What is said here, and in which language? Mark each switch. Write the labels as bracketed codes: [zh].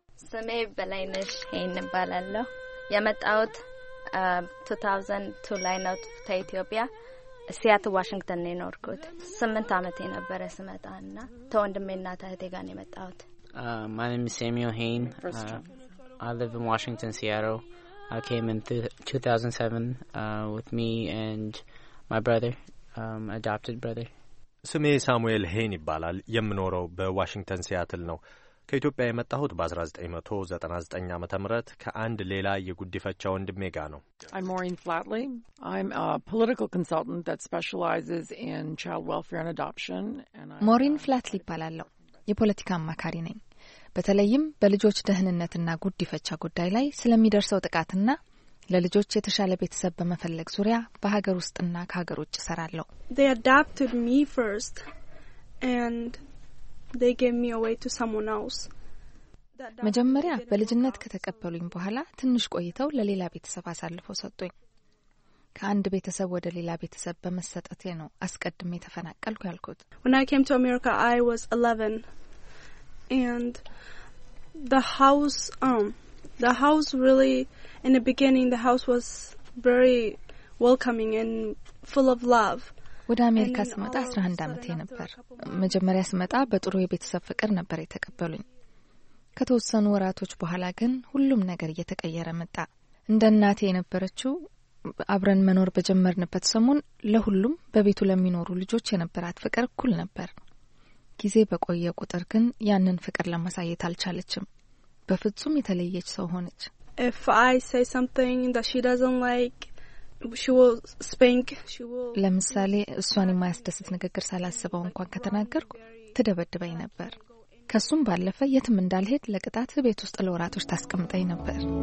[am] ስሜ በላይነሽ ሄን እባላለሁ። የመጣሁት 2002 ላይ ነው ከኢትዮጵያ ሲያት ዋሽንግተን ነው የኖርኩት። 8 አመት የነበረ ስመጣና ተወንድሜና ታህቴ ጋር ነው የመጣሁት። [en] My name is Samuel Hain. I live in Washington, Seattle. I came in 2007 with me and my brother, adopted brother. [am] ስሜ ሳሙኤል ሄን ይባላል። የምኖረው በዋሽንግተን ሲያትል ነው። ከኢትዮጵያ የመጣሁት በ1999 ዓመተ ምህረት ከአንድ ሌላ የጉዲፈቻ ወንድሜ ጋር ነው። [en] I'm Maureen Flatley. I'm a political consultant that specializes in child welfare and adoption and I'm [am] Maureen Flatley ይባላለሁ። የፖለቲካ አማካሪ ነኝ። በተለይም በልጆች ደህንነትና ጉዲፈቻ ጉዳይ ላይ ስለሚደርሰው ጥቃትና ለልጆች የተሻለ ቤተሰብ በመፈለግ ዙሪያ በሀገር ውስጥና ከሀገር ውጭ ሰራለሁ። [en] They adopted me first and they gave me away to someone else. [am] መጀመሪያ በልጅነት ከተቀበሉኝ በኋላ ትንሽ ቆይተው ለሌላ ቤተሰብ አሳልፈው ሰጡኝ። ከአንድ ቤተሰብ ወደ ሌላ ቤተሰብ በመሰጠቴ ነው አስቀድሜ ተፈናቀልኩ ያልኩት። [en] When I came to America I was 11 and the house really in the beginning the house was very welcoming and full of love. [am] ወደ አሜሪካ ስመጣ 11 አመቴ ነበር። መጀመሪያ ስመጣ በጥሩ የቤተሰብ ፍቅር ነበር የተቀበሉኝ። ከተወሰኑ ወራቶች በኋላ ግን ሁሉም ነገር እየተቀየረ መጣ። እንደናቴ የነበረችው አብረን መኖር በጀመርንበት ሰሞን ለሁሉም በቤቱ ለሚኖሩ ልጆች የነበራት ፍቅር ኩል ነበር። ጊዜ በቆየ ቁጥር ግን ያንን ፍቅር ለማሳየት አልቻለችም። በፍጹም የተለየች ሰው ሆነች። [en] If I say something that she doesn't like she will spank she will [am] ለምሳሌ እሷን የማያስደስት ንግግር ሳላስበው እንኳን ከተናገርኩ ትደበድበኝ ነበር። ከሱም ባለፈ የትም እንዳልሄድ ለቅጣት ቤት ውስጥ ለወራቶች ታስቀምጠኝ ነበር።